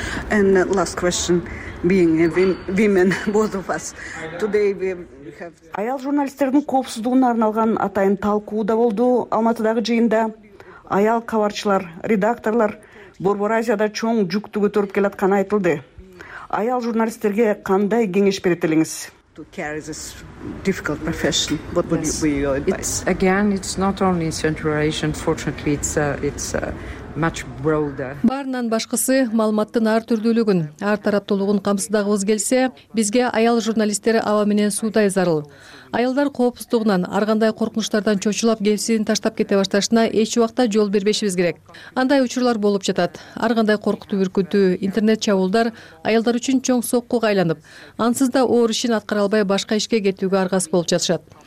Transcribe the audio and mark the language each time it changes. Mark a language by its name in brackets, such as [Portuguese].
[English] And last question, being a women, both of us, today we have... [Kyrgyz] Аял журналисттердин коопсуздугуна арналган атайын талкуу да болду Алматыдагы жыйында. Аял кабарчылар, редакторлар Борбор Азияда чоң жүктү көтөрүп келатканы айтылды. Аял журналисттерге кандай кеңеш берет элеңиз? [English] To carry this difficult profession, what would be your advice? It's, again, it's not only in Central Asia. Unfortunately, it's much broader. [Kyrgyz] Баарынан башкысы маалыматтын ар түрдүүлүгүн, ар тараптуулугун камсыздагыбыз келсе, бизге аял журналисттер аба менен суудай зарыл. Аялдар коопсуздугунан, ар кандай коркунучтардан чочулап кесибин таштап кете башташына эч убакта жол бербешибиз керек. Андай учурлар болуп жатат. Ар кандай коркутуу бүркүтүү, интернет чабуулдар аялдар үчүн чоң соккуга айланып, ансыз да оор ишин аткара албай башка ишке кетүүгө аргас болуп жатышат.